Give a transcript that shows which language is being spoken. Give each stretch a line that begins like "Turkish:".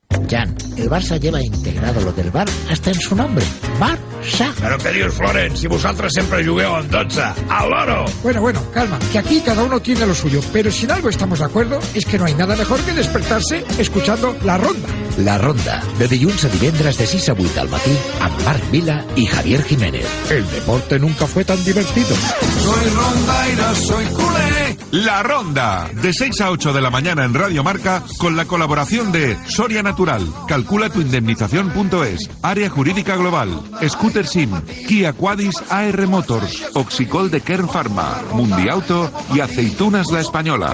Spanish: Jan, el Barça lleva integrado lo del bar hasta en su nombre, Barça. Pero qué dios, Florent, si vosotros siempre
Catalan: jugueu
Spanish: en 12, al oro. Bueno, bueno, calma, que aquí cada uno tiene lo suyo, pero si en algo estamos de acuerdo es que no hay nada mejor que despertarse escuchando La Ronda.
Catalan: La Ronda, de dilluns a divendres de 6 a 8 del matí, amb Marc Vila i Javier Jiménez.
Spanish: El deporte nunca fue tan divertido. Soy Ronda y no soy culé. La Ronda, de 6 a 8 de la mañana en Radio Marca, con la colaboración de Soria Natural, calculatuindemnización.es, Área Jurídica Global, Scooter Sim, Kia Quadis AR Motors, Oxicol de Kern Pharma, Mundiauto y Aceitunas La Española.